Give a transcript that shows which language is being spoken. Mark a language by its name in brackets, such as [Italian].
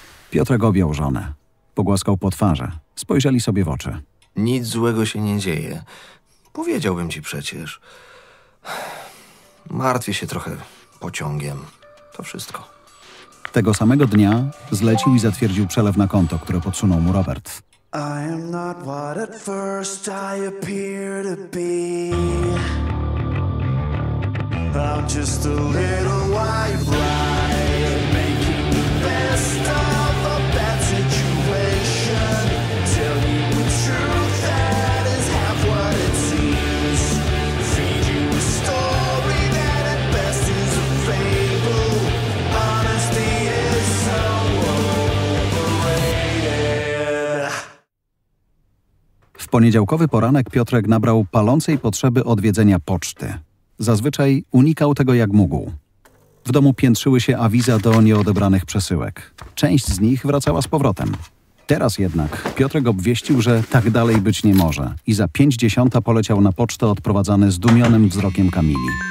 [Polish] Piotrek objął żonę. Pogłaskał po twarzy. Spojrzeli sobie w oczy. Nic złego się nie dzieje. Powiedziałbym ci przecież. Martwię się trochę pociągiem. To wszystko. Tego samego dnia zlecił i zatwierdził przelew na konto, które podsunął mu Robert. [English] I am not what at first I appear to be. I'm just a little white rabbit, making the best of a bad situation. Tell you the truth, that is half what it seems. Feed you a story that at best is a fable. Honesty is so overrated. [Polish] W poniedziałkowy poranek Piotrek nabrał palącej potrzeby odwiedzenia poczty. Zazwyczaj unikał tego jak mógł. W domu piętrzyły się awiza do nieodebranych przesyłek. Część z nich wracała z powrotem. Teraz jednak Piotrek obwieścił, że tak dalej być nie może i za 5:10 poleciał na pocztę odprowadzany zdumionym wzrokiem Kamili.